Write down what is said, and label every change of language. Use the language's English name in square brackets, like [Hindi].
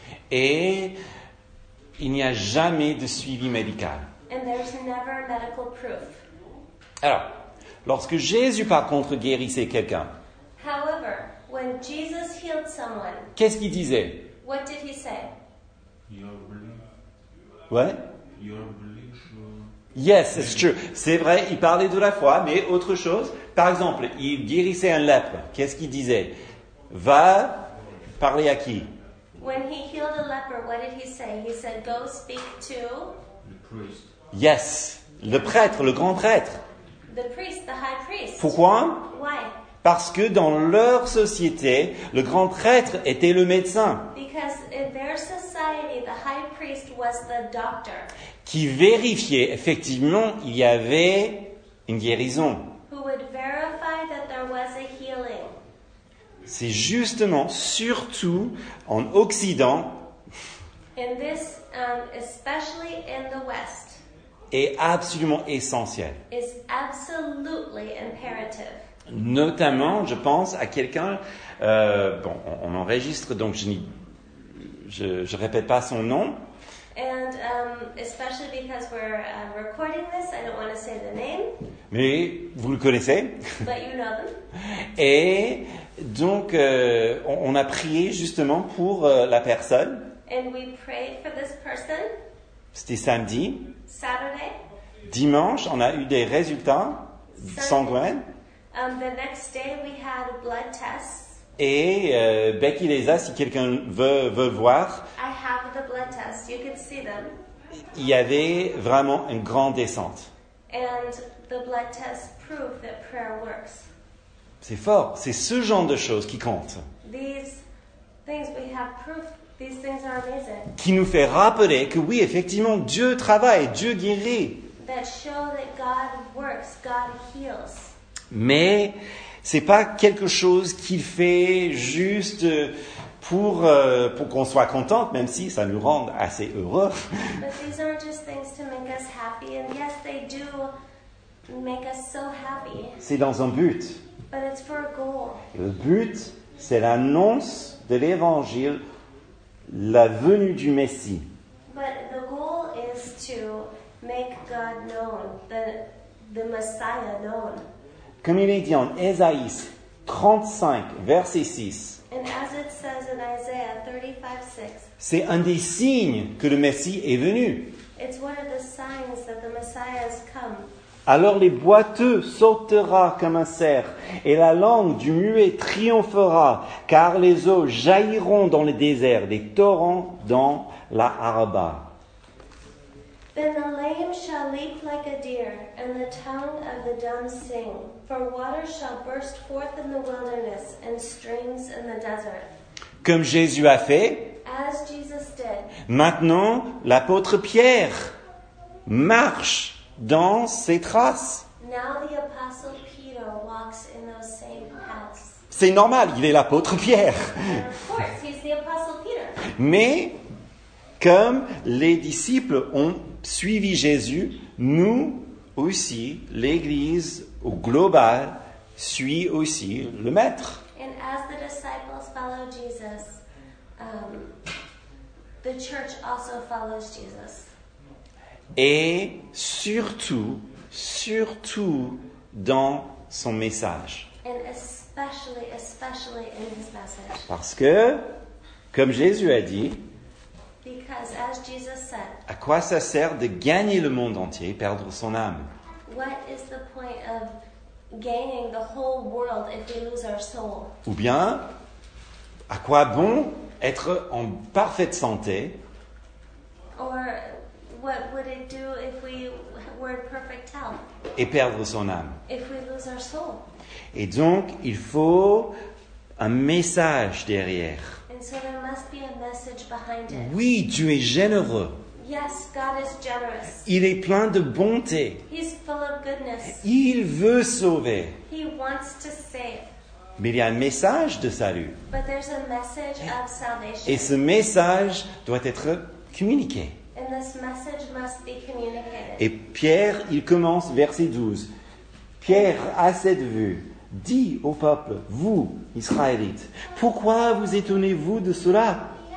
[French] Et il n'y a jamais de suivi médical. [English] And there's never medical proof. [French] Alors, lorsque Jésus par contre guérissait quelqu'un, [English] however, when Jesus healed someone, [French] qu'est-ce qu'il disait? [English] What did he say? Your belief. What? Your belief. Yes, it's true. [French] C'est vrai, il parlait de la foi, mais autre chose. Par exemple, il guérissait un lèpre. Qu'est-ce qu'il disait? Va parler à qui? [English] When he healed a leper, what did he say? He said, go speak to? The priest. [French] Yes, le prêtre, le grand prêtre. [English] The priest, the high priest. [French] Pourquoi? [English] Why? [French] Parce que dans leur société, le grand prêtre était le médecin. [English] Because in their society, the high priest was the doctor. [French] Qui vérifiait, effectivement, il y avait une guérison. [English] Who would verify that there was a healing. [French] C'est justement, surtout en Occident, [English] in this, especially in the West, [French] est absolument essentiel. [English] Is absolutely imperative. [French] Notamment, je pense à quelqu'un, bon, on enregistre, donc je répète pas son nom. [English] And especially because we're recording this, I don't want to say the name. [French] Mais vous le connaissez. [English] But you know them. [French] Et donc, on a prié justement pour la personne. [English] And we prayed for this person. [French] C'était samedi. [English] Saturday. [French] Dimanche, on a eu des résultats sanguins. [English] The next day, we had blood tests. [French] Et Becky les a, si quelqu'un veut voir. [English] I have the blood test. You can see them. [French] Il y avait vraiment une grande descente. [English] And the blood test proved that prayer works. [French] C'est fort. C'est ce genre de choses qui compte. [English] These things we have proof. These things are amazing. [French] Qui nous fait rappeler que oui, effectivement, Dieu travaille, Dieu guérit. [English] That show that God works, God heals. [French] Mais c'est pas quelque chose qu'il fait juste pour qu'on soit contente, même si ça nous rend assez heureux. [English] But these aren't just things to make us happy, and yes, they do make us so happy. [French] C'est dans un but. [English] But it's for a goal. [French] Le but, c'est l'annonce de l'évangile, la venue du Messie. [English] But the goal is to make God known, the Messiah known. [French] Comme il est dit en Ésaïe 35, verset 6. [English] And as it says in Isaiah 35, 6. [French] C'est un des signes que le Messie est venu. [English] It's one of the signs that the Messiah has come. [French] Alors les boiteux sautera comme un cerf, et la langue du muet triomphera, car les eaux jailliront dans le désert, des torrents dans la Araba. [English] Then the lame shall leap like a deer, and the tongue of the dumb sing, for water shall burst forth in the wilderness, and streams in the desert. [French] Comme Jésus a fait. [English] As Jesus did. [French] Maintenant, l'apôtre Pierre marche dans ses traces. [English] Now the apostle Peter walks in those same paths. [French] C'est normal, il est l'apôtre Pierre. [English] Of course, he's the apostle Peter. [French] Mais comme les disciples ont suivi Jésus, nous aussi, l'Église au global, suit aussi le Maître. [English] And as the disciples follow Jesus, the church also follows Jesus. [French] Et surtout, surtout dans son message. [English] And especially, especially in his message. [French] Parce que, comme Jésus a dit, [English] because, as Jesus said, [French] à quoi ça sert de gagner le monde entier, perdre son âme? [English] What is the point of gaining the whole world if we lose our soul? [French] Ou bien, à quoi bon être en parfaite santé? [English] Or, what would it do if we were in perfect health? [French] Et perdre son âme. [English] If we lose our soul. [French] Et donc, il faut un message derrière. [English] And so there must be a message behind it. [French] Oui, Dieu est généreux. [English] Yes, God is generous. [French] Il est plein de bonté. [English] He's full of goodness. [French] Il veut sauver. [English] He wants to save. [French] Mais il y a un message de salut. [English] But there's a message of salvation. [French] Et ce message doit être communiqué. [English] And this message must be communicated. [French] Et Pierre, il commence verset 12. Pierre, à cette vue, dit au peuple, vous, Israélites, pourquoi vous étonnez-vous de cela?